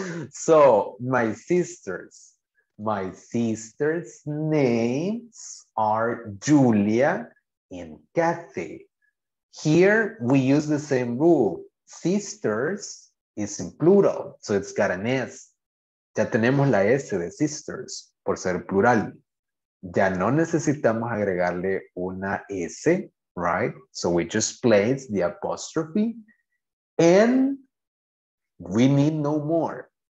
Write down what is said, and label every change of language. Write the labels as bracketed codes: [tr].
[en] So, my sisters' names are Julia and Kathy. Here, we use the same rule. Sisters is in plural, so it's got an S. [es] Ya tenemos la S de sisters, por ser plural. Ya no necesitamos agregarle una S, right? [en] So we just place the apostrophe and we need no more.